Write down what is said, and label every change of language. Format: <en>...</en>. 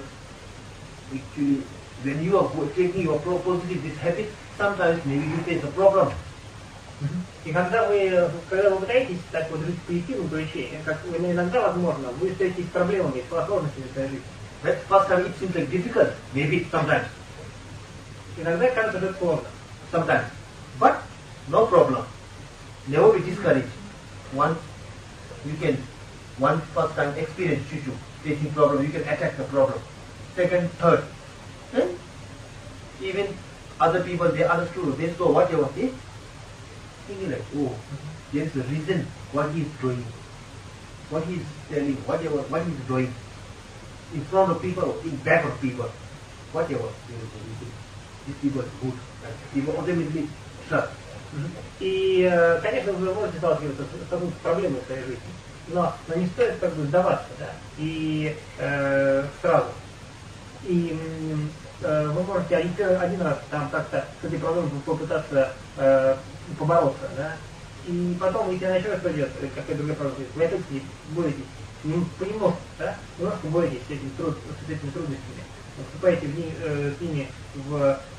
<en>Actually, when you are taking your pro positive this habit, sometimes maybe you face a problem.</en> <ru>И когда вы пытаетесь так вот жить позитивным ключом, как иногда возможно, вы встретитесь с проблемами, с сложностями в своей жизни.</ru> <en>First time it seems like difficult, maybe sometimes.</en> <ru>Иногда кажется, что это сложно.</ru> <en>Sometimes. But no problem. Never be discouraged. One first time experience you facing problem, you can attack the problem. Second, third. Then, even other people, they understood, they saw whatever they thinking like, there's a reason what he's doing, what he's telling, whatever, what he's doing in front of people, in back of people, whatever, there is a reason. These people are good, right? People ultimately trust.</en> <ru>И, конечно, вы можете сталкиваться с такой проблемой в своей жизни, но не стоит как бы сдаваться, да, и сразу. И вы можете один раз там как-то с этой проблемой попытаться побороться, да, и потом, если она еще раз пойдет, какая-то другая проблема, вы это боретесь, понемножку, да, немножко боретесь с этими трудностями, вступаете в</ru>